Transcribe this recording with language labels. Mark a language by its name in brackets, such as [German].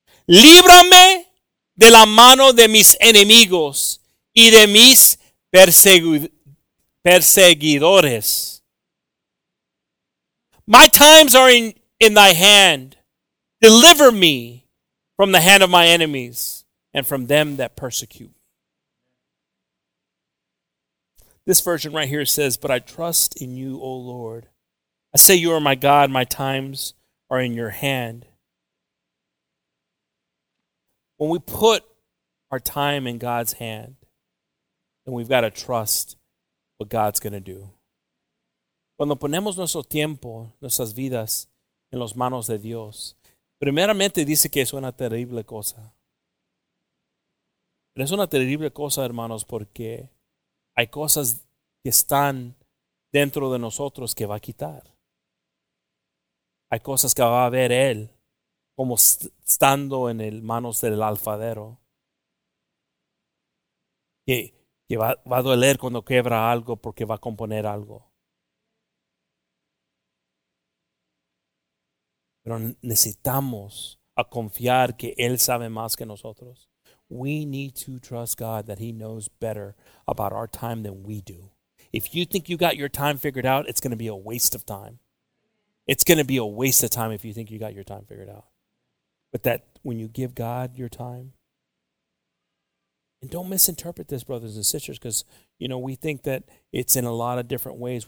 [Spanish] Líbrame de la mano de mis enemigos y de mis perseguidores. [English] My times are in thy hand. Deliver me from the hand of my enemies and from them that persecute. This version right here says, but I trust in you, O Lord. I say you are my God. My times are in your hand. When we put our time in God's hand, then we've got to trust what God's going to do. [Spanish] Cuando ponemos nuestro tiempo, nuestras vidas, en las manos de Dios, primeramente dice que es una terrible cosa. Pero es una terrible cosa, hermanos, porque hay cosas que están dentro de nosotros que va a quitar. Hay cosas que va a ver Él como estando en el manos del alfarero. Que va a doler cuando quebra algo porque va a componer algo. Pero necesitamos a confiar que Él sabe más que nosotros. [English] We need to trust God that He knows better about our time than we do. If you think you got your time figured out, it's going to be a waste of time. It's going to be a waste of time if you think you got your time figured out. But that when you give God your time, and don't misinterpret this, brothers and sisters, because, you know, we think that it's in a lot of different ways.